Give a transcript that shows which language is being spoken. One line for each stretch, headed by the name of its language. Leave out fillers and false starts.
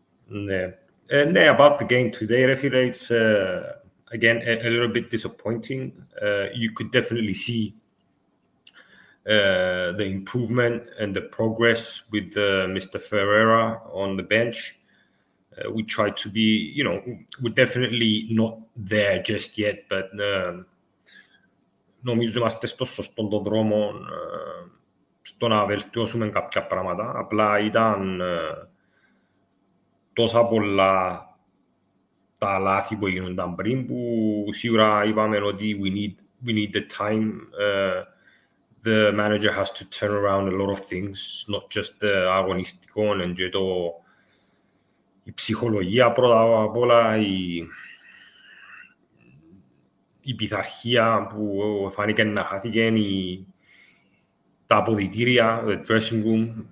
English: Yeah. About the game today, Refile, it's again a little bit disappointing. You could definitely see the improvement and the progress with Mr. Ferreira on the bench. We tried to be, you know, we're definitely not there just yet, but
Greek: νομίζω είμαστε στο σωστό το δρόμο στο να βελτιώσουμε κάποια πράγματα. Απλά ήταν τόσα πολλά τα λάθη που γίνονταν πριν που σίγουρα είπαμε ότι
English: we need the time. The manager has to turn around a lot of things, not just the
Greek: αγωνιστικό
English: and το.
Greek: Η ψυχολογία πρώτα απ' όλα, η πειθαρχία που φάνηκε να χάθηκε, τα αποδυτήρια,
English: the dressing room.